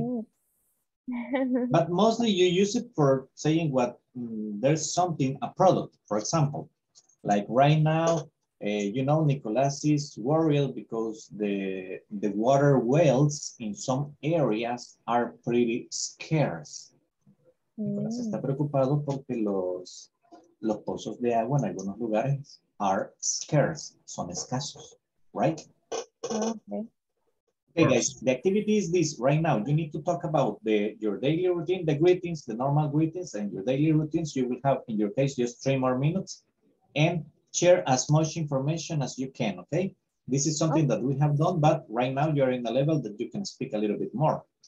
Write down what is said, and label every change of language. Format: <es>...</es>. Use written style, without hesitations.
<en>Mm. But mostly you use it for saying what. There's something, a product, for example, like right now, you know, Nicolas is worried because the water wells in some areas are pretty scarce. Mm.</en> <es>Nicolas está preocupado porque los pozos de agua en algunos lugares</es> <en>are scarce,</en> <es>son escasos,</es> <en>right? Okay. Okay, guys, the activity is this right now. You need to talk about your daily routine, the greetings, the normal greetings, and your daily routines. You will have, in your case, just 3 more minutes and share as much information as you can, okay? This is something that we have done, but right now you're in a level that you can speak a little bit more.</en>